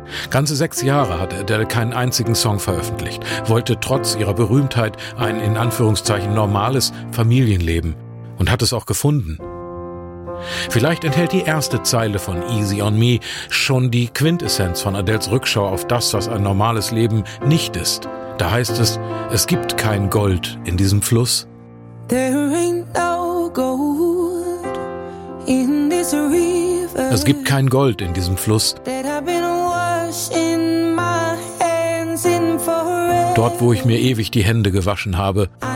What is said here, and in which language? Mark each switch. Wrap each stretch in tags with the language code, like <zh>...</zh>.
<de>Ganze 6 Jahre hatte Adele keinen einzigen Song veröffentlicht, wollte trotz ihrer Berühmtheit ein in Anführungszeichen normales Familienleben. Und hat es auch gefunden. Vielleicht enthält die erste Zeile von Easy on Me schon die Quintessenz von Adeles Rückschau auf das, was ein normales Leben nicht ist. Da heißt es, es gibt kein Gold in diesem Fluss.</de> <en>There ain't no gold in this river.</en> <de>Es gibt kein Gold in diesem Fluss.</de> <en>That I've been washing my hands in forever.</en> <de>Dort, wo ich mir ewig die Hände gewaschen habe.</de>